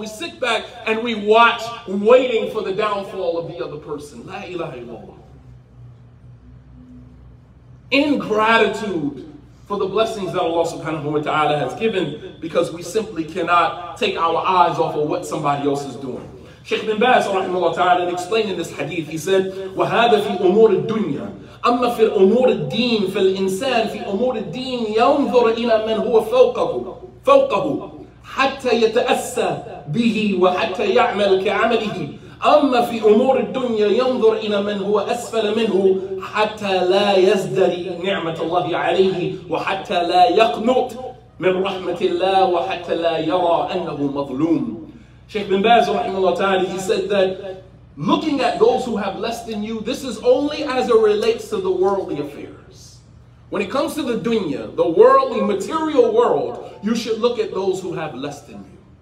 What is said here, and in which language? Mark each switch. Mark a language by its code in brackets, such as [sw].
[en] We sit back and we watch, waiting for the downfall of the other person. La ilaha illallah. Ingratitude for the blessings that Allah subhanahu wa ta'ala has given, because we simply cannot take our eyes off of what somebody else is doing. Sheikh bin Baz rahimahullah ta'ala, in explaining this hadith, he said, [ar] وَهَذَا فِي أُمُورِ الدُّنْيَا أَمَّا فِي أُمُورِ الدِّينِ فَالْإِنسَانِ فِي أُمُورِ الدِّينِ يَنْظُرَ إِلَى مَنْ هُوَ فَوْقَهُ حَتَّى يَتَأَسَّى بِهِ وَحَتَّى يَعْمَلْ كَعَمَلِهِ أما في أمور الدنيا ينظر إلى من هو أسفل منه حتى لا يزدري نعمة الله عليه وحتى لا يقنط من رحمة الله وحتى لا يرى أنه مظلوم. [en] Sheikh bin Baz [ar] رحمه الله تعالى, [en] he said that looking at those who have less than you, this is only as it relates to the worldly affairs. When it comes to the dunya, the worldly material world, you should look at those who have less than you.